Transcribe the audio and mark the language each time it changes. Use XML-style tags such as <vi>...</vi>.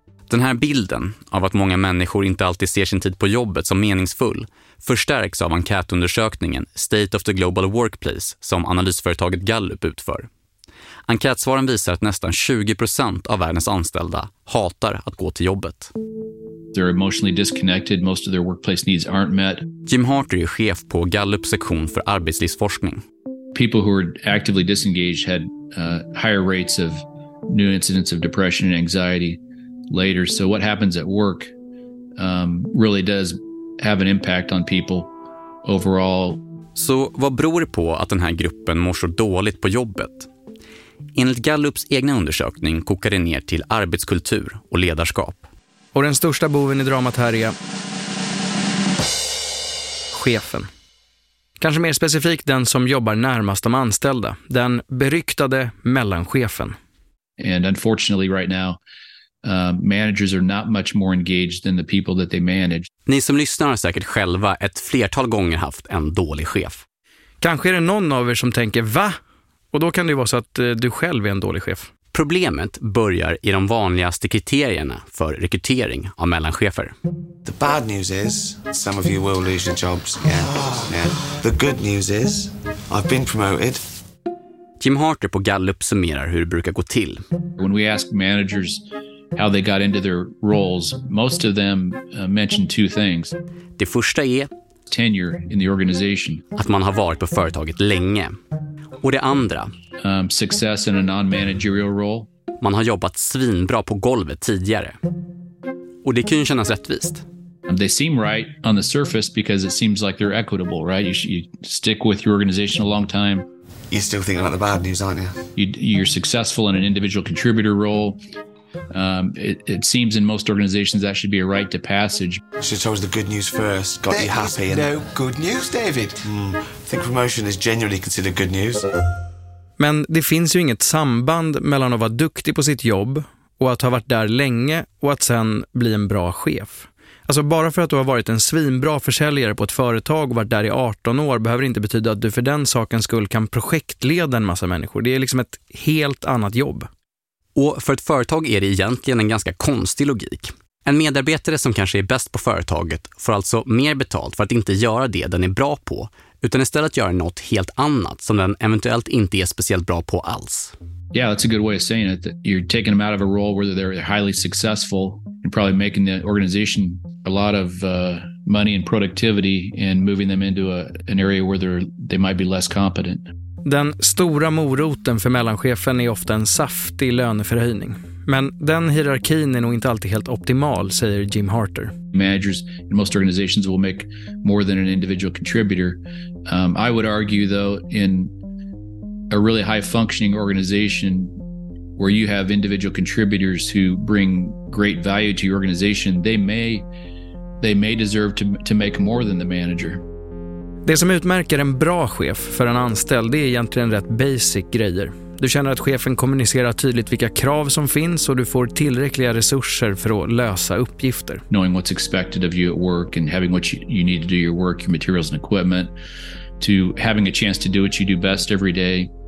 <sv>Den här bilden av att många människor inte alltid ser sin tid på jobbet som meningsfull förstärks av enkätundersökningen State of the Global Workplace som analysföretaget Gallup utför. Enkätsvaren visar att nästan 20% av världens anställda hatar att gå till jobbet.</sv> <en>They're emotionally disconnected, most of their workplace needs aren't met.</en> <sv>Jim Harter är chef på Gallups sektion för arbetslivsforskning.</sv> <en>People who are actively disengaged had higher rates of new incidents of depression and anxiety later. So what happens at work really does have an impact on people overall.</en> <sv>Så vad beror det på att den här gruppen mår så dåligt på jobbet? Enligt Gallups egna undersökning kokar det ner till arbetskultur och ledarskap. Och den största boven i dramat här är chefen. Kanske mer specifikt den som jobbar närmast de anställda, den beryktade mellanchefen.</sv> <en>And unfortunately right now managers are not much more engaged than the people that they manage.</en> <sv>Ni som lyssnar har säkert själva ett flertal gånger haft en dålig chef. Kanske är det någon av er som tänker, va? Och då kan det vara så att du själv är en dålig chef. Problemet börjar i de vanligaste kriterierna för rekrytering av mellanchefer.</sv> <en>The bad news is some of you will lose your jobs. Yeah. The good news is I've been promoted.</en> <sv>Jim Harter på Gallup summerar hur det brukar gå till.</sv> <en>When we ask managers how they got into their roles, most of them mention two things.</en> <sv>Det första är</sv> <en>tenure in the organization.</en> <sv>Att man har varit på företaget länge. Och det andra,</sv> <en>success in a non-managerial role.</en> <sv>Man har jobbat svinbra på golvet tidigare. Och det kan ju kännas rättvist.</sv> <en>They seem right on the surface because it seems like they're equitable, right? You stick with your organization a long time. You're still thinking about the bad news, aren't you? You're successful in an individual contributor role. It seems in most organizations that should be a rite to passage. So it's always the good news first, got there you happy. There is no good news, David. I think promotion is genuinely considered good news.</en> <sv>Men det finns ju inget samband mellan att vara duktig på sitt jobb och att ha varit där länge och att sen bli en bra chef. Alltså bara för att du har varit en svinbra försäljare på ett företag och varit där i 18 år behöver inte betyda att du för den sakens skull kan projektleda en massa människor. Det är liksom ett helt annat jobb. Och för ett företag är det egentligen en ganska konstig logik. En medarbetare som kanske är bäst på företaget får alltså mer betalt för att inte göra det den är bra på utan istället göra något helt annat som den eventuellt inte är speciellt bra på alls.</sv> <en>Yeah, that's a good way of saying it. You're taking them out of a role where they're highly successful and probably making the organization a lot of money and productivity and moving them into an area where they might be less competent.</en> <sv>Den stora moroten för mellanchefen är ofta en saftig löneförhöjning. Men den hierarkin är nog inte alltid helt optimal, säger Jim Harter.</sv> <en>Managers in most organizations will make more than an individual contributor. I would argue though in a really high functioning organization where you have individual contributors who bring great value to your organization, they may deserve to make more than the manager.</en> <sv>Det som utmärker en bra chef för en anställd, det är egentligen rätt basic grejer. Du känner att chefen kommunicerar tydligt vilka krav som finns och du får tillräckliga resurser för att lösa uppgifter.</sv> <en>Knowing what's expected of you at work and having what you need to do your work, your materials and equipment, to having a chance to do what you do best every day.</en>